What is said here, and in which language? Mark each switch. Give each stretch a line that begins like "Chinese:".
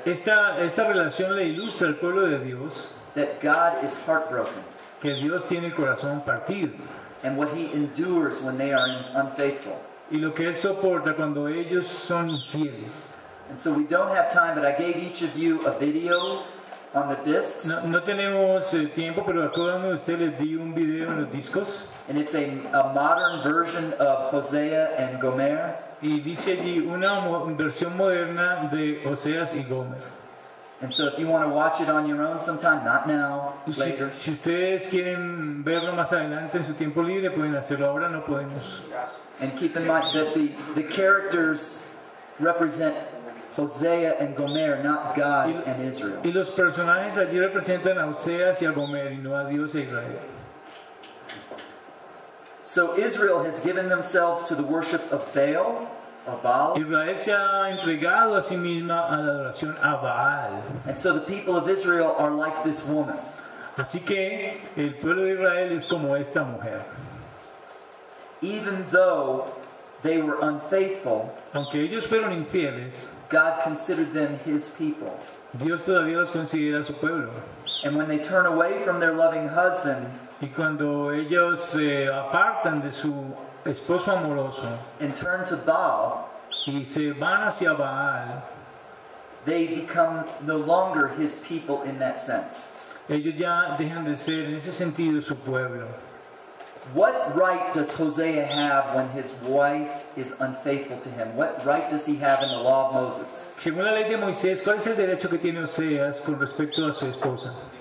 Spanish: esta relación le ilustra al pueblo de Dios
English: that God is heartbroken.
Spanish: Que Dios tiene el corazón partido.
English: And what he endures when they are unfaithful.
Spanish: Y lo que él soporta cuando ellos son infieles.
English: And so we don't have time, but I gave each of you a video on the discs.
Spanish: No tenemos tiempo, pero a cada uno de ustedes les di un video en los discos.
English: And it's a modern version of Hosea and Gomer.
Spanish: Y dice allí una versión moderna de Oseas y Gomer.
English: And so if you want to watch it on your own sometime, not now, later.
Spanish: Si ustedes quieren verlo más adelante en su tiempo libre, pueden hacerlo ahora, no podemos.
English: And keep in mind that the characters represent Hosea and Gomer, not God and Israel.
Spanish: Y los personajes allí representan a Oseas y a Gomer, y no a Dios e Israel.
English: So Israel has given themselves to the worship of Baal.
Spanish: Israel se ha entregado a sí misma a la adoración a Baal.
English: And so the people of Israel are like this woman.
Spanish: Así que el pueblo de Israel es como esta mujer.
English: Even though they were unfaithful,
Spanish: aunque ellos fueron infieles,
English: God considered them his people.
Spanish: Dios todavía los considera su pueblo.
English: And when they turn away from their loving husband,
Spanish: y cuando ellos se apartan de su esposo amoroso,
English: and turn to Baal,
Spanish: y se van hacia Baal,
English: they become no longer his people in that sense.
Spanish: Ellos ya dejan de ser en ese sentido su pueblo.
English: What right does Hosea have when his wife is unfaithful to him? What right does he have in the law of Moses?
Spanish: Según la ley de Moisés, ¿cuál es el derecho que tiene Oseas con respecto a su esposa?